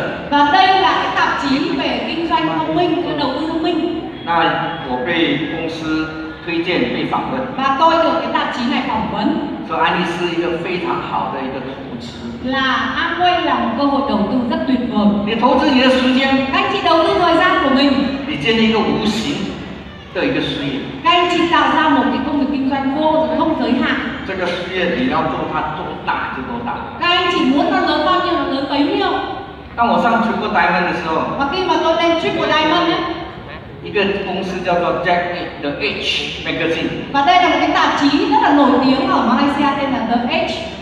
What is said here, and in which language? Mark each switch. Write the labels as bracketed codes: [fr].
[vi] Và đây là cái tạp chí về kinh doanh thông minh, cái đầu tư thông minh. [zh] 我被公司推荐被访问。 [vi] Và tôi được cái tạp chí này phỏng vấn. [zh] 所以安利是一个非常好的一个投资。 [vi] Là Amway là một cơ hội đầu tư rất tuyệt vời. [zh] 你投资你的时间。 [vi] Anh chị đầu tư thời gian của mình. [zh] 你建立一个无形的一个事业。 [vi] Các anh chị tạo ra một cái công việc kinh doanh vô không giới hạn. [zh] 这个事业你要做它多大就多大。 [vi] Các anh chị muốn nó lớn bao nhiêu là lớn bấy nhiêu. [zh] 当我上Triple Diamond的时候。 [vi] Và khi mà tôi lên Triple Diamond nhé. [zh] 一个公司叫做 Jack the Edge Magazine. [vi] Và đây là một cái tạp chí rất là nổi tiếng ở Malaysia tên là The Edge.